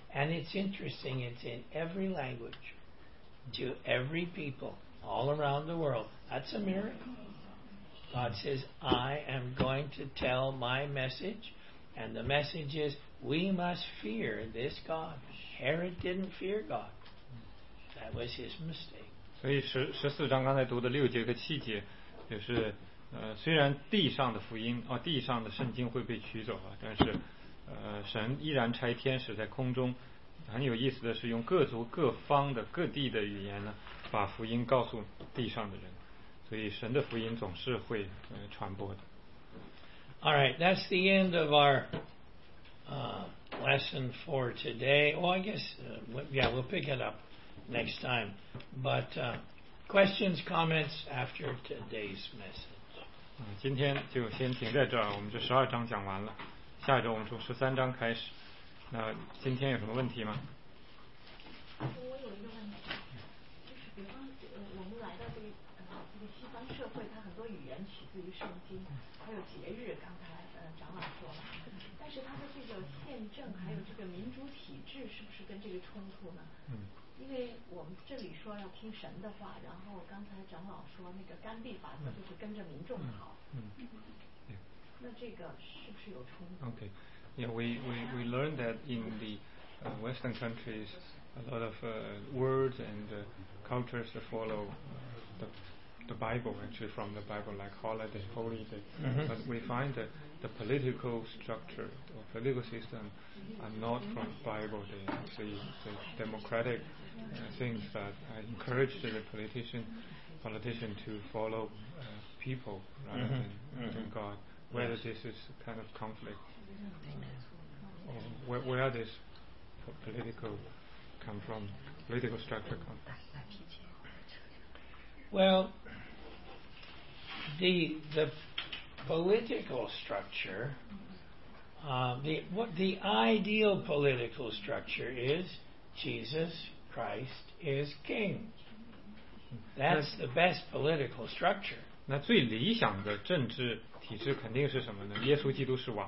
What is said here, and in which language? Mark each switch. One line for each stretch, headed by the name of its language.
English: And it's interesting, it's in every language to every people all around the world. That's a miracle. God says, I am going to tell my message, and the message is we must fear this God. Herod didn't fear God. That was his mistake.
Chinese: 所以十四章刚才读的六节和七节，就是虽然地上的福音啊，地上的圣经会被取走啊，但是神依然差天使在空中。很有意思的是，用各族各方的各地的语言呢，把福音告诉地上的人。所以神的福音总是会传播的。
English: All right, that's the end of our lesson for today. Well, I guess, yeah, we'll pick it up next time. But questions, comments after today's message.
Chinese: 今天就先停在这儿，我们这十二章讲完了。下一周我们从十三章开始。那今天有什么问题吗？我有一个问题，就是比方我们来到这个西方社会，它很多语言取自于圣经，还有节日，刚才长老说了，但是它的这个宪政还有这个民主体制是不是跟这个冲突呢？嗯，因为我们这里说要听神的话，然后刚才长老说那个甘地法则就是跟着民众跑。那这个是不是有冲突？
English: OK, yeah, we learned that in the Western countries a lot of words and cultures follow the Bible, actually from the Bible, like holiday, holy day. Mm-hmm. But we find that the political structure or political system are not from Bible day. The democratic things that encourage the politician to follow people rather than God. Whether this is kind of conflict, or where this political come from, political structure come from? Well, the political structure, the ideal political structure is Jesus Christ is King. That's the best political structure.
Chinese: 那最理想的政治体制肯定是什么呢？耶稣基督是王。